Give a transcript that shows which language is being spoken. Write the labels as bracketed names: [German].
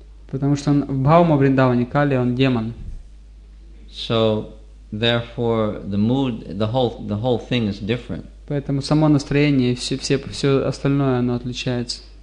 [Russian] Потому что в Бхаума Вриндаване Кали он демон. [English] So therefore the mood, the whole thing is different. [Russian] Поэтому само настроение и все остальное оно отличается.